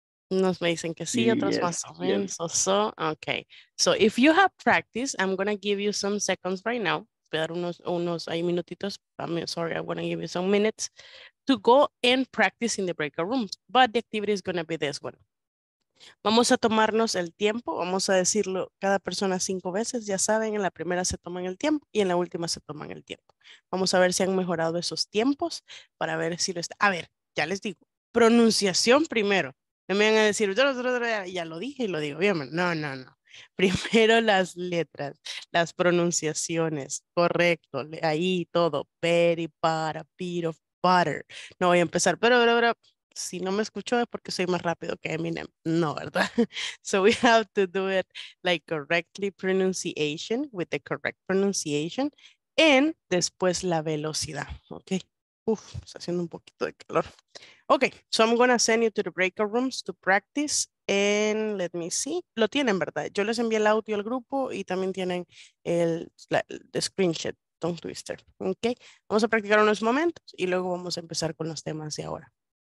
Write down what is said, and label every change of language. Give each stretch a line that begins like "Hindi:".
Spanish: Unos me dicen que sí, otros más o menos.
English: So, okay. So if you have practiced, I'm going to give you some seconds right now.
Spanish: Voy a dar unos ahí minutitos.
English: Sorry, I'm going to give you some minutes to go and practice in the breakout rooms. But the activity is going to be this one.
Spanish: Vamos a tomarnos el tiempo, vamos a decirlo cada persona 5 veces, ya saben, en la primera se toman el tiempo y en la última se toman el tiempo. Vamos a ver si han mejorado esos tiempos para ver si lo está. A ver, ya les digo, pronunciación primero. No me van a decir, ya lo dije y lo digo bien. No. Primero las letras, las pronunciaciones, correcto, ahí todo. Peri para, bit of butter. No voy a empezar, pero. Si no me escucho es porque soy más rápido que Eminem. No, ¿verdad?
English: So we have to do it like correctly pronunciation with the correct pronunciation and
Spanish: después la velocidad.
English: Okay.
Spanish: Uf, está haciendo un poquito de calor.
English: Okay, so I'm going to send you to the breakout rooms to practice and let me see.
Spanish: Lo tienen, ¿verdad? Yo les envié el audio al grupo y también tienen el screenshot, tongue twister. Okay, vamos a practicar unos momentos y luego vamos a empezar con los temas de ahora.